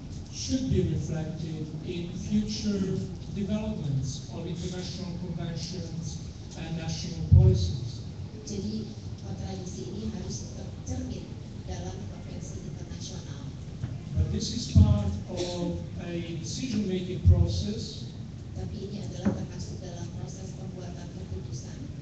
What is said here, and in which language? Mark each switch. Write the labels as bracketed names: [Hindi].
[English] should be reflected in future developments of international conventions and national policies. [Indonesian] Jadi kontradiksi ini harus tercermin dalam konvensi internasional. [English] But this is part of a decision-making process. [Indonesian] Tapi ini adalah termasuk dalam proses pembuatan keputusan.